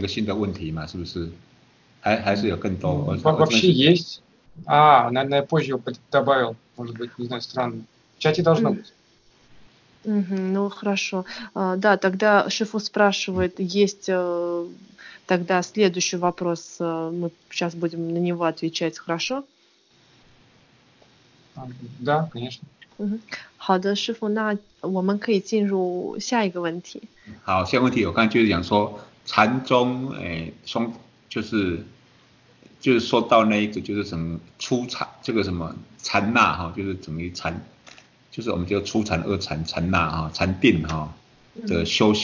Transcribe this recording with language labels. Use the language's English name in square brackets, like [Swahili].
[Chinese] 好，现在是不是还有另外有两个新的问题嘛？是不是？还是有更多？ [Russian] Вообще есть. А, наверное, позже его добавил. Может быть, не знаю, странно. В чате должно быть. Ну, хорошо. Да, тогда Шифу спрашивает, есть тогда следующий вопрос. Мы сейчас будем на него отвечать, хорошо? Да, конечно. [Chinese] 好的，师傅，那我们可以进入下一个问题。好，下一个问题，我刚才就是想说禅宗，哎，就是说到那一个就是什么出禅，这个什么禅那哈，就是等于禅，就是我们叫出禅二禅，禅那哈，禅定哈的修行。